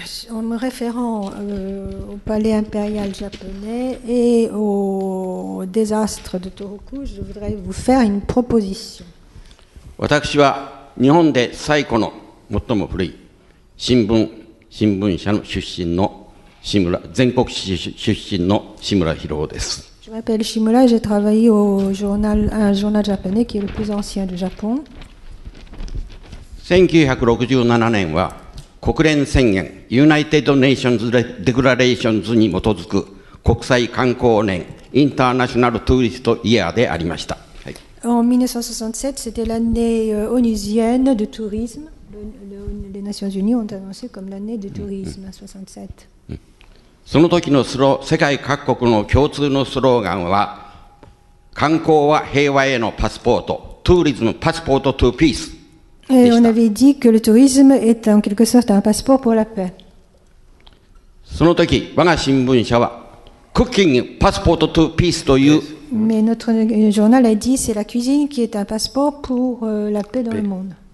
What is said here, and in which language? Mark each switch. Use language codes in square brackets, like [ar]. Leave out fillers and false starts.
[fr] En me référant au palais impérial japonais et au désastre de Tohoku, je voudrais vous faire une proposition. [ja] 私は日本で最古の最も古い新聞社の出身の志村、全国出身の志村博夫です。 [fr] Je m'appelle Shimura et j'ai travaillé au journal, un journal japonais qui est le plus ancien du Japon. [ja] 1967年は国連宣言 [en] United Nations Declarations [ja] に基づく国際観光年 [en] International Tourist Year [ja] でありました。 [fr] En 1967, c'était l'année onusienne de tourisme. Les Nations Unies ont annoncé comme l'année de tourisme en 1967. [ja] その時の世界各国の共通のスローガンは、観光は平和へのパスポート、 [en] トゥーリズム、パスポートトゥーピース [ja] でした。 [fr] On avait dit que le tourisme est en quelque sorte un passeport pour la paix. [ja] その時、我が新聞社は、 [en] クッキング、パスポートトゥーピース [ja] という。 [fr] Mais notre journal a dit c'est la cuisine qui est un passeport pour la paix dans le monde.